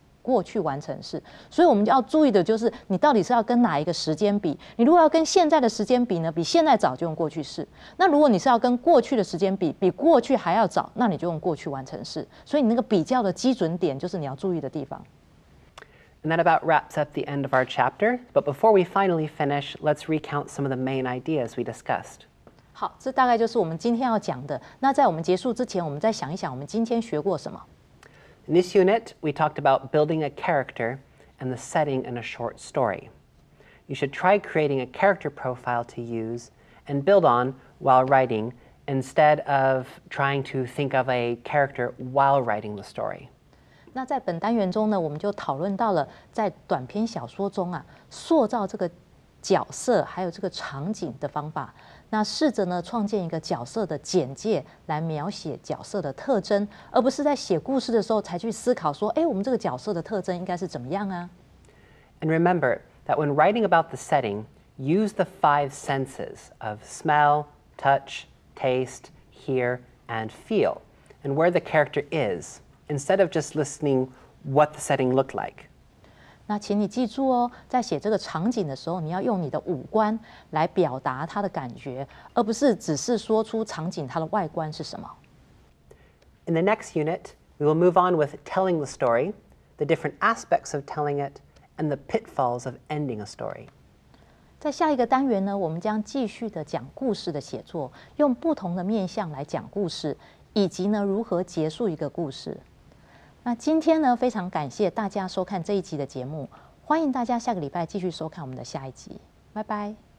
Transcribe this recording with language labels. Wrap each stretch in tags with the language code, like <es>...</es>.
<zh>过去完成式，所以我们要注意的就是你到底是要跟哪一个时间比。你如果要跟现在的时间比呢，比现在早就用过去式。那如果你是要跟过去的时间比，比过去还要早，那你就用过去完成式。所以你那个比较的基准点就是你要注意的地方。</zh> <en>And that about wraps up the end of our chapter. But before we finally finish, let's recount some of the main ideas we discussed.</en> <zh>好，这大概就是我们今天要讲的。那在我们结束之前，我们再想一想我们今天学过什么。</zh> <en>In this unit, we talked about building a character and the setting in a short story. You should try creating a character profile to use and build on while writing instead of trying to think of a character while writing the story.</en> <zh>那在本单元中呢，我们就讨论到了在短篇小说中啊，塑造这个角色还有这个场景的方法。那试着呢创建一个角色的简介来描写角色的特征，而不是在写故事的时候才去思考说，我们这个角色的特征应该是怎么样啊</zh> <en>？And remember that when writing about the setting, use the five senses of smell, touch, taste, hear, and feel, and where the character is, instead of just listening what the setting looked like.</en> <zh>那请你记住哦，在写这个场景的时候，你要用你的五官来表达它的感觉，而不是只是说出场景它的外观是什么。</zh> <en>In the next unit, we will move on with telling the story, the different aspects of telling it, and the pitfalls of ending a story.</en> <zh>在下一个单元呢，我们将继续的讲故事的写作，用不同的面向来讲故事，以及呢如何结束一个故事。那今天呢，非常感谢大家收看这一集的节目，欢迎大家下个礼拜继续收看我们的下一集，拜拜。</zh>